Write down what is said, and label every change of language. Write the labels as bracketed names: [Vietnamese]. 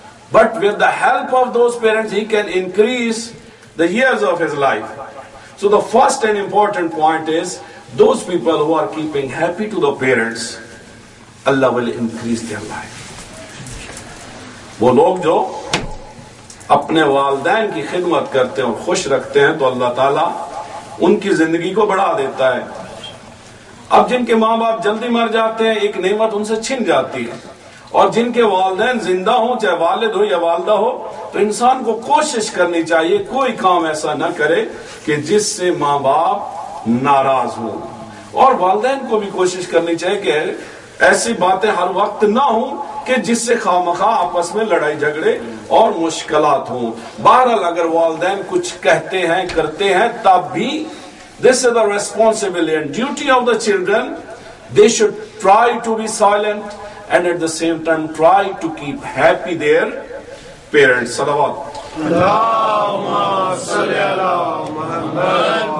[English] But with the help of those parents, he can increase the years of his life. So the first and important point is, those people who are keeping happy to the parents, Allah will increase their life. [Urdu] वो लोग जो اپنے والدین کی خدمت کرتے ہیں اور خوش رکھتے ہیں تو اللہ تعالیٰ ان کی زندگی کو بڑھا دیتا ہے. اب جن کے ماں باپ جلدی مر جاتے ہیں ایک نعمت ان سے چھن جاتی ہے, اور جن کے والدین زندہ ہوں چاہے والد ہو یا والدہ ہو, تو انسان کو کوشش کرنی چاہیے کوئی کام ایسا نہ کرے کہ جس سے ماں باپ ناراض ہو, اور والدین کو بھی کوشش کرنی چاہیے کہ ایسی باتیں ہر وقت نہ ہوں کہ جس سے خامخواہ آپس میں لڑائی جھگڑے اور مشکلات ہوں. بہرحال اگر والدین کچھ کہتے ہیں کرتے ہیں تب بھی [English] this is the responsibility and duty of the children, they should try to be silent and at the same time try to keep happy their parents. [Arabic] Salawat. Allahumma salli ala Muhammad.